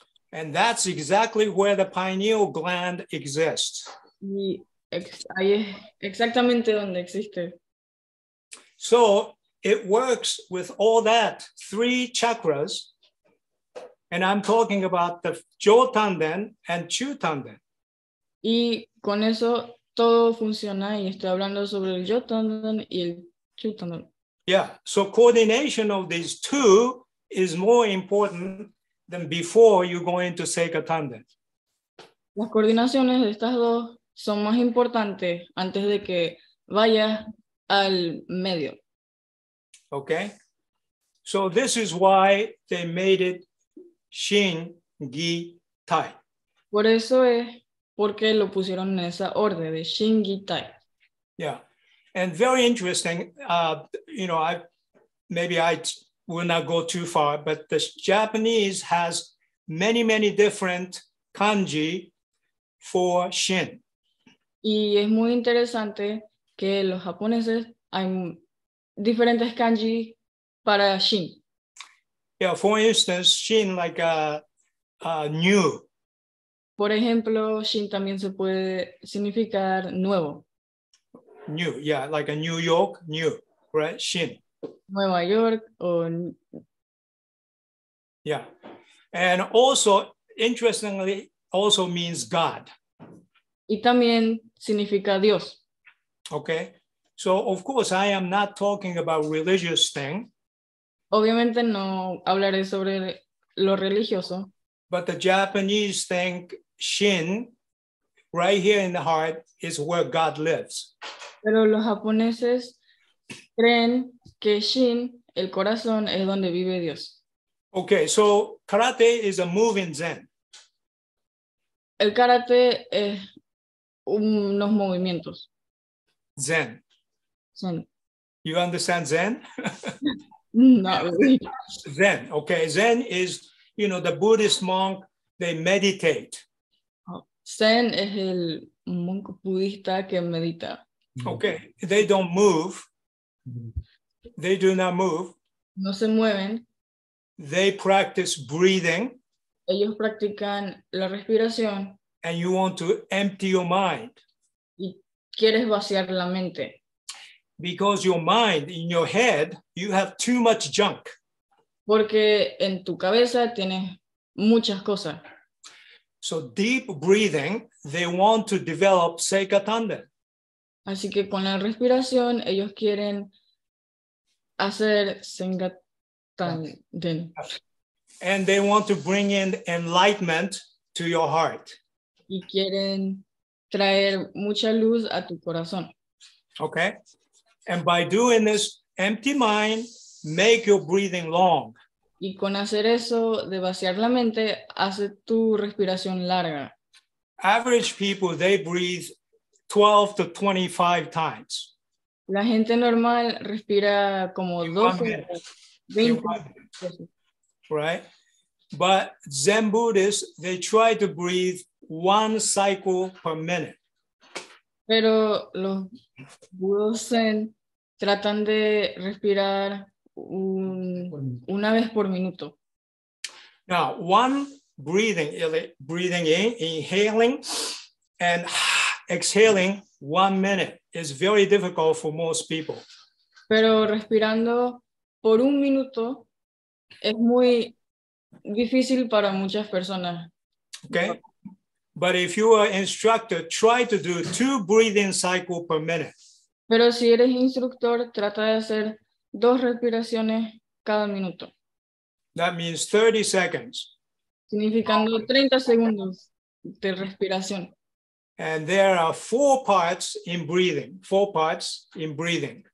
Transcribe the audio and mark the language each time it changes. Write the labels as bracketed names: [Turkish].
[English] And that's exactly where the pineal gland exists. [Spanish] Y ahí es exactamente donde existe. [English] So it works with all that three chakras, and I'm talking about the Jo Tanden and Chu Tanden. [Spanish] Y con eso todo funciona y estoy hablando sobre el Jo Tanden y el Chu Tanden. [English] Yeah, so coordination of these two is more important than before you go into Seika Tanden. [Spanish] Las coordinaciones de estas dos son más importantes antes de que vayas al medio. [English] Okay. So this is why they made it Shin Gi Tai. [Spanish] Por eso es porque lo pusieron en esa orden de Shin Gi Tai. [English] Yeah. And very interesting, you know, I will not go too far, but the Japanese has many, many different kanji for Shin. [Spanish] Y es muy interesante que los japoneses hay diferentes kanji para Shin. [English] Yeah, for instance, Shin like a new. [Spanish] Por ejemplo, Shin también se puede significar nuevo. [English] New, yeah, like a New York, new, right? Shin. [Spanish] Nueva York o... [English] Yeah. And also, interestingly, also means God. [Spanish] Y también significa Dios. [English] Okay. So, of course, I am not talking about religious thing. [Spanish] Obviamente no hablaré sobre lo religioso. [English] But the Japanese think Shin right here in the heart is where God lives. [Spanish] Pero los japoneses creen que Shin, el corazón, es donde vive Dios. [English] Okay, so karate is a moving zen. [Spanish] El karate es unos movimientos. Zen. [English] Zen. You understand Zen? Not really. Zen, okay. Zen is, you know, the Buddhist monk, they meditate. [Spanish] Zen es el monje budista que medita. [English] Okay, they don't move. They do not move. [Spanish] No se mueven. [English] They practice breathing. [Spanish] Ellos practican la respiración. [English] And you want to empty your mind. [Spanish] Y quieres vaciar la mente. [English] Because your mind, in your head, you have too much junk. [Spanish] Porque en tu cabeza tienes muchas cosas. [English] So deep breathing, they want to develop seika tanden. [Spanish] Así que con la respiración, ellos quieren hacer seika tanden. [English] And they want to bring in enlightenment to your heart. [Spanish] Y quieren traer mucha luz a tu corazón. [English] Okay. And by doing this, empty mind, make your breathing long. [Spanish] Y con hacer eso, de vaciar la mente, hace tu respiración larga. [English] Average people, they breathe 12 to 25 times. [Spanish] La gente normal respira como 12, 20 veces. [English] Right? But Zen Buddhists, they try to breathe one cycle per minute. [Spanish] Pero los budos Zen tratan de respirar una vez por minuto. [English] Now, one breathing, inhaling and exhaling 1 minute is very difficult for most people. [Spanish] Pero respirando por un minuto es muy difícil para muchas personas. [English] Okay. But if you are an instructor, try to do 2 breathing cycles per minute. [Spanish] Pero si eres instructor, trata de hacer 2 respiraciones cada minuto. [English] That means 30 seconds. [Spanish] Significando 30 segundos de respiración. [English] And there are 4 parts in breathing. 4 parts in breathing.